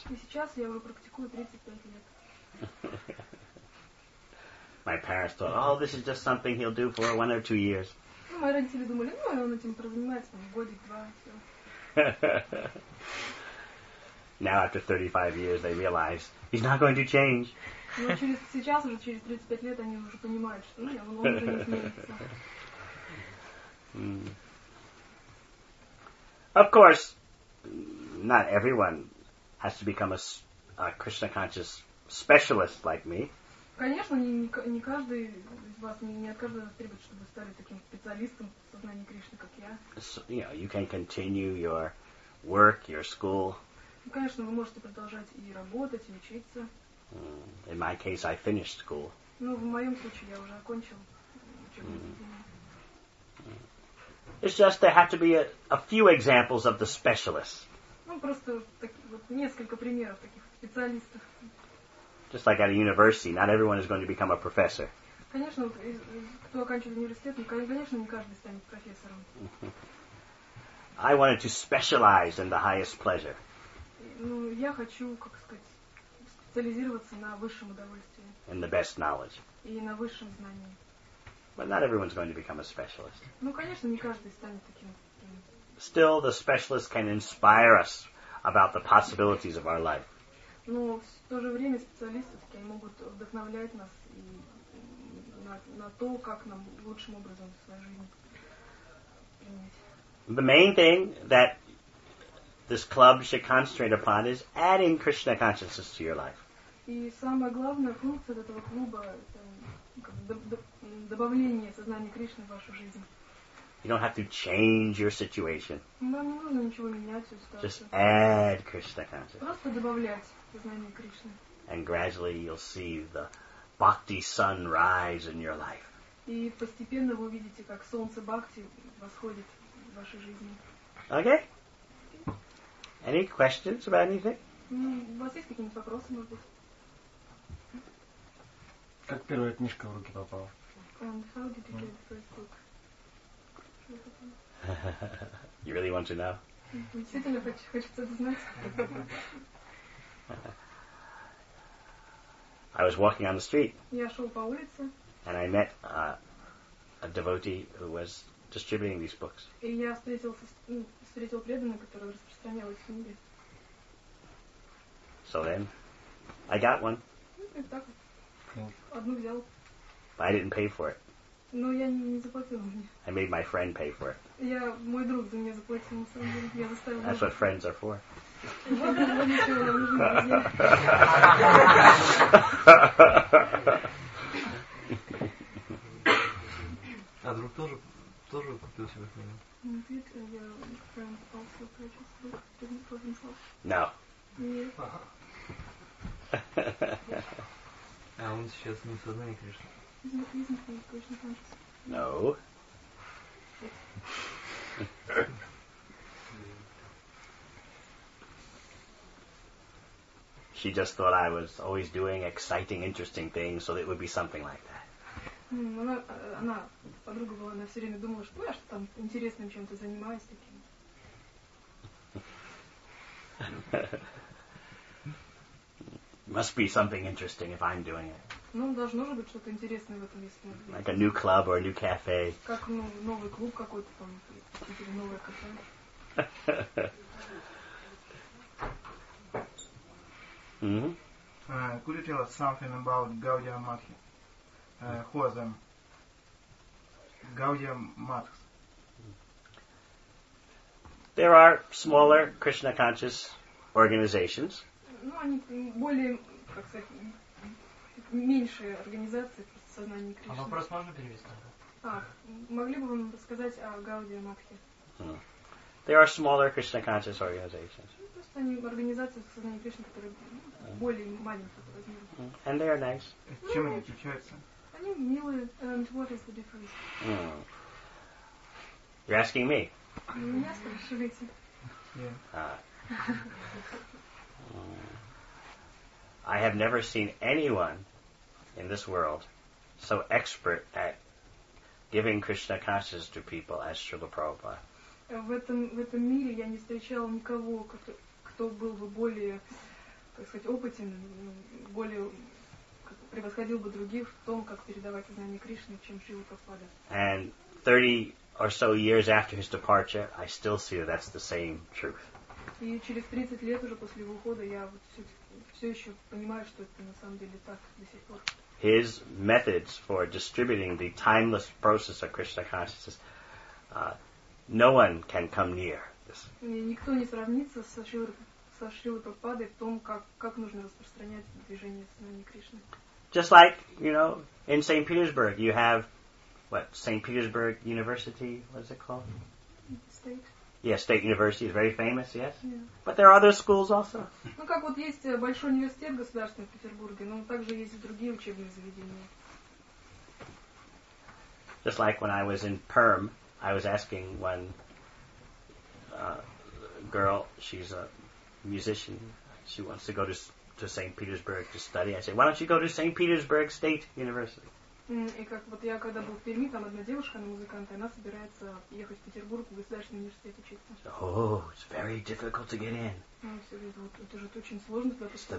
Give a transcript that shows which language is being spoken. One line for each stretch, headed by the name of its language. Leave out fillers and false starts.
Russian: И сейчас я уже практикую 35 лет.
English: My parents thought, "Oh, this is just something he'll do for one or two years."
Russian: Ну, мои родители думали, ну, он этим прозанимается там годик-два, всё.
English: Now after 35 years they realize he's not going to change.
Russian: Но через сейчас уже через 35 лет они уже понимают, что, ну, он уже не изменится.
English: Of course, not everyone has to become a Krishna conscious specialist like me.
Russian: Конечно, не каждый из вас, не от каждого требует, чтобы стали таким специалистом в сознании Кришны, как я.
English: You know, you can continue your work, your school.
Russian: Конечно, вы можете продолжать и работать, и учиться.
English: In my case, I finished school.
Russian: Ну, в моем случае я уже окончил учебу.
English: It's just there have to be a few examples of the specialists.
Russian: Ну, просто так, вот несколько примеров таких специалистов.
English: Just like at a university, not everyone is going to become a professor.
Russian: Конечно, вот, кто оканчивает университет, ну, конечно, не каждый станет профессором.
English: I wanted to specialize in the highest pleasure.
Russian: Ну, я хочу, как сказать, специализироваться на высшем удовольствии.
English: And the best knowledge.
Russian: И на высшем знании.
English: But not everyone's going to become a specialist.
Russian: Ну, конечно, не каждый станет таким.
English: Still, the specialist can inspire us about the possibilities of our life.
Russian: Но в то же время специалисты таки могут вдохновлять нас и на то, как нам лучшим образом в своей жизни принять.
English: The main thing that this club should concentrate upon is adding Krishna consciousness to your life.
Russian: И самая главная функция этого клуба это добавление сознания Кришны в вашу жизнь.
English: You don't have to change your situation.
Russian: Вам не нужно ничего менять, всю ситуацию.
English: Just add Krishna consciousness.
Russian: Просто добавлять сознание Кришны.
English: And gradually you'll see the bhakti sun rise in your life.
Russian: И постепенно вы увидите, как солнце бхакти восходит в вашей жизни.
English: Okay? Any questions about anything?
Russian: Ну, у вас есть какие-нибудь вопросы, может быть? Как первая книжка в руки попала?
English: And how did you get the first book? You really want to know?
Russian: Действительно, хочется это знать.
English: I was walking on the street.
Russian: Я шел по улице.
English: And I met a devotee who was distributing these books.
Russian: И я встретил преданного, который распространял эти книги.
English: So then, I got one.
Russian: И так вот. Одну взял.
English: But I didn't pay for it.
Russian: Но я не заплатил мне.
English: I made my friend pay for it.
Russian: Я, мой друг за меня заплатил, на самом деле. Я заставил его.
English: That's what friends are for.
Russian: Вот это было ничего, нам нужны друзья. А друг тоже купил себе книгу?
English: Не did, я friend also purchased book, didn't for himself. No.
Russian: Нет. А он сейчас не в сознании Кришны?
English: No. She just thought I was always doing exciting, interesting things, so it would be something like that.
Russian: Она подруга была, она все время думала, что я что там интересным чем-то занимаюсь таким.
English: Must be something interesting if I'm doing it.
Russian: Ну, должно же быть что-то интересное в этом, если...
English: Like a new club or a new cafe.
Russian: Как, ну, новый клуб какой-то там, или новое кафе.
English: Could you tell us something about Gaudiya Math? Who are them? Gaudiya Math. There are smaller Krishna conscious organizations.
Russian: Ну, они более, как сказать... меньшие организации сознания Кришны. А вопрос можно перевести? Могли бы вы рассказать о Гаудия Матхе?
English: There are smaller Krishna conscious organizations. And they are nice.
Russian: Чем они отличаются? Они милые.
English: And what is the difference? You're asking me.
Russian: Меня спрашиваете.
English: I have never seen anyone in this world so expert at giving Krishna consciousness to people as Srila Prabhupada.
Russian: В этом мире я не встречала никого, кто был бы более, так сказать, опытен, более превосходил бы других в том, как передавать знания Кришны, чем Шрила Прабхупада.
English: And 30 or so years after his departure, I still see that that's the same truth.
Russian: И через 30 лет уже после его ухода я вот все еще понимаю, что это на самом деле так до сих пор.
English: His methods for distributing the timeless process of Krishna consciousness, no one can come near this.
Russian: Никто не сравнится со Шрилой Прабхупадой в том, как нужно распространять движение знаний Кришны.
English: Just like, you know, in St. Petersburg, you have, what, St. Petersburg University, what is it called? State. Yeah, State University is very famous, yes? Yeah. But there are other schools also.
Russian: Ну, как вот есть большой университет государственный в Петербурге, но также есть и другие учебные заведения.
English: Just like when I was in Perm, I was asking one girl, she's a musician, she wants to go to St. Petersburg to study. I said, why don't you go to St. Petersburg State University?
Russian: И как вот я когда был в Перми, там одна девушка, она музыкант, и она собирается ехать в Петербург в государственный университет учиться.
English: It's very difficult to get in.
Russian: Это же очень сложно туда поступить.